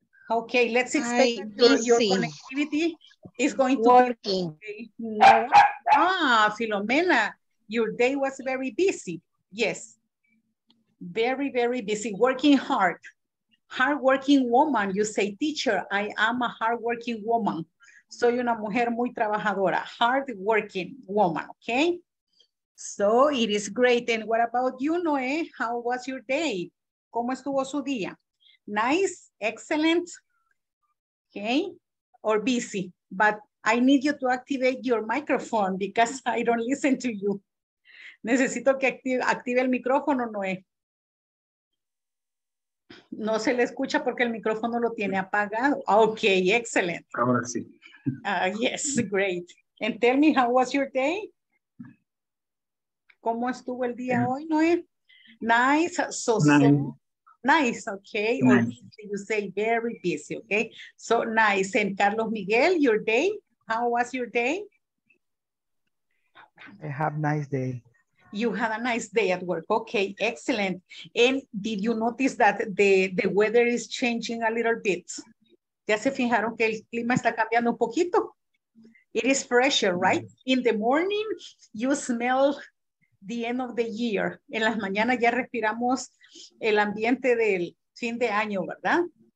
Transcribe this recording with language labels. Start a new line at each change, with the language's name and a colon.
English: Okay, let's expect your connectivity is going to working. Be Filomena, your day was very busy. Yes, very, very busy, working hard. Hardworking woman, you say, teacher, I am a hardworking woman.
Spanish: Soy una mujer muy trabajadora,
English: hardworking woman,
Spanish: okay?
English: So it is great. And what about you, Noé? How was your day?
Spanish: ¿Cómo estuvo su día?
English: Nice, excellent,
Spanish: okay?
English: Or busy, but I need you to activate your microphone because I don't listen to you.
Spanish: Necesito que active el micrófono, Noé. No se le escucha porque el micrófono lo tiene apagado.
English: Okay, excellent.
Spanish: Ahora sí.
English: Yes, great. And tell me, how was your day?
Spanish: ¿Cómo estuvo el día hoy, Noé?
English: Nice, nice, okay. Nice. You say very busy, okay? So nice. And Carlos Miguel, your day? How was your day? I have a nice day. You had a nice day at work. Okay, excellent. And did you notice that the weather is changing a little bit?
Spanish: ¿Ya se fijaron que el clima está cambiando un poquito?
English: It is fresher, right? In the morning, you smell the end of the year.
Spanish: En las mañanas ya respiramos el ambiente del fin de año, ¿verdad?